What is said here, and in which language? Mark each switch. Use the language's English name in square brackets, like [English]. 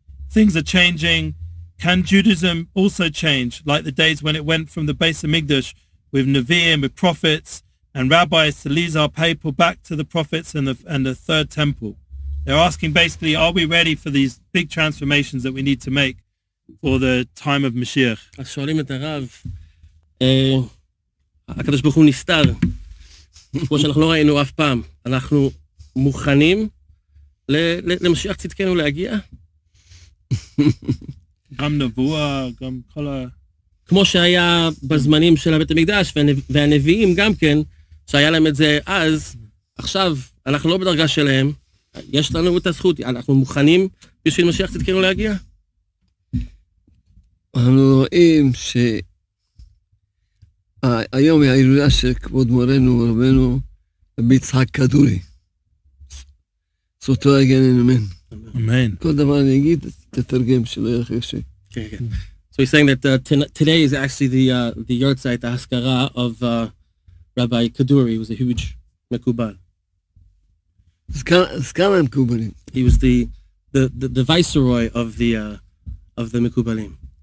[English] Things are changing. Can Judaism also change, like the days when it went from the Beis Hamikdash with Nevi'im, with prophets and rabbis, to lead our people back to the prophets and the third temple? They're asking basically, are we ready for these big transformations that we need to make for the time of Mashiach? [Hebrew] אז שואלים את הרב, הקדוש ברוך הוא נסתר, כמו שאנחנו לא ראינו אף פעם, אנחנו מוכנים למשיח צדקנו להגיע? גם נבואה, גם כל ה... כמו שהיה בזמנים של בית המקדש והנביאים גם כן, שהיה להם את זה אז, עכשיו אנחנו לא בדרגה שלהם, יש לנו את הזכות, אנחנו מוכנים בשביל משיח צדקנו להגיע? אנחנו רואים שהיום היא הילולה של כבוד מורנו ורבנו רבי יצחק כדורי. זאת אומרת, אגן אין אמן. אמן. כל דבר אני אגיד, תתרגם שלא יהיה אחרי ש... כן, כן. [English] So he's saying that today is actually the Yortzeit, the Haskara of Rabbi Kaduri, who was a huge Mekubal. Skala Mekubalim. He was the viceroy of the Mekubalim.